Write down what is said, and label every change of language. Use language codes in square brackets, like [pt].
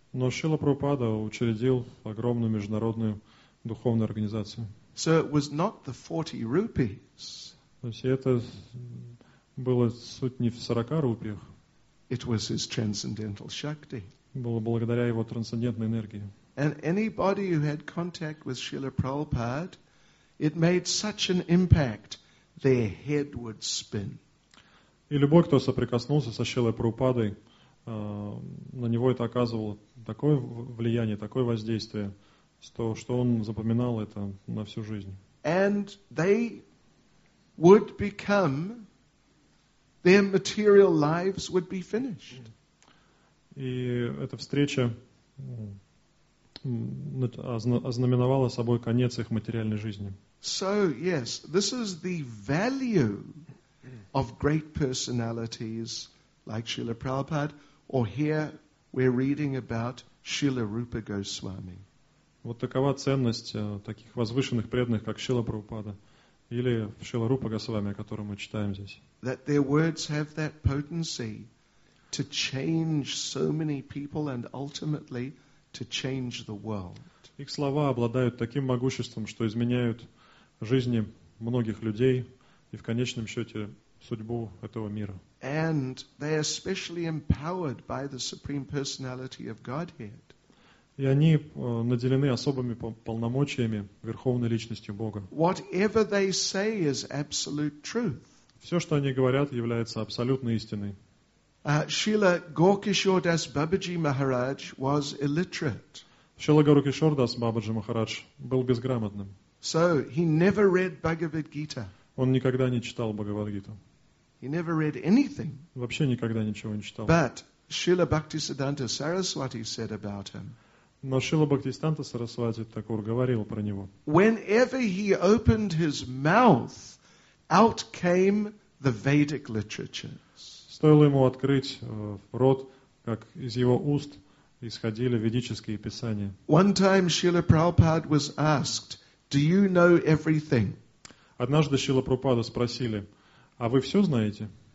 [ru] Но Шрила Прабхупада учредил огромную международную духовную организацию. [en] So it was not the 40 rupees. [ru] То есть это было суть не в 40 рупиях. [en] It was his transcendental shakti. [ru] Было благодаря его трансцендентной энергии. [en] And anybody who had contact with Srila Prabhupada, it made such an impact, their head would spin. [ru] И любой, кто соприкоснулся со Шрилой Прабхупадой, на него это оказывало такое влияние, такое воздействие, что он запоминал это на всю жизнь. [en] And they would become, their material lives would be finished. [ru] И эта встреча ознаменовала собой конец их материальной жизни. [en] So, yes, this is the value of great personalities like Srila Prabhupada, or here we're reading about Srila Rupa Goswami. [ru] Вот такова ценность таких возвышенных преданных, как Шрила Прабхупада или Шрила Рупа Госвами, о котором мы читаем здесь. [en] That their words have that potency to change so many people and ultimately to change the world. [ru] Их слова обладают таким могуществом, что изменяют жизни многих людей и в конечном счете судьбу этого мира. [en] And they are especially empowered by the Supreme Personality of Godhead. [ru] И они наделены особыми полномочиями Верховной Личностью Бога. [en] Whatever they say is absolute truth. [ru] Все, что они говорят, является абсолютной истиной. [en] Шрила Гаур-Кишор Дас Бабаджи Махарадж was illiterate. [ru] Шрила Гаур-Кишор Дас Бабаджи Махарадж был безграмотным. [en] So he never read Бхагавад-Гита. [ru] Он никогда не читал Бхагавад-Гиту. [en] He never read anything. [ru] Вообще никогда ничего не читал. [en] But Шрила Бхактисиддханта Сарасвати said about him. [ru] Но Шрила Бхактисиддханта Сарасвати Такур говорил про него. [en] Whenever he opened his mouth, out came the Vedic literatures. [ru] Стоило ему открыть рот, как из его уст исходили ведические писания. [en] One time Srila Prabhupada was asked, "Do you know everything?" [ru] Однажды Шрила Прабхупада спросили: "А вы все знаете?"